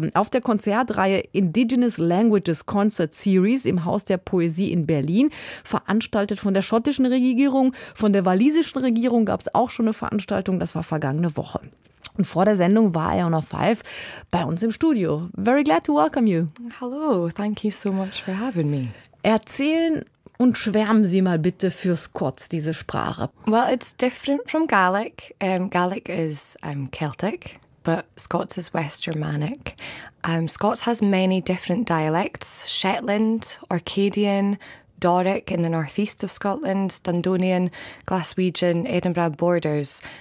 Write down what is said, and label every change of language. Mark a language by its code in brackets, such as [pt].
[de] Auf der Konzertreihe Indigenous Languages Concert Series im Haus der Poesie in Berlin, veranstaltet von der schottischen Regierung, von der walisischen Regierung gab es auch schon eine Veranstaltung, das war vergangene Woche. Und vor der Sendung war Iona Fyfe bei uns im Studio. [en] Very glad to welcome you. Hello, thank you so much for having me. [de] Erzählen und schwärmen Sie mal bitte für Scots, diese Sprache. [en] Well, it's different from Gaelic. Gaelic is Celtic, but Scots is West Germanic. Scots has many different dialects. Shetland, Orcadian, Doric in the northeast of Scotland, Dundonian, Glaswegian, Edinburgh borders.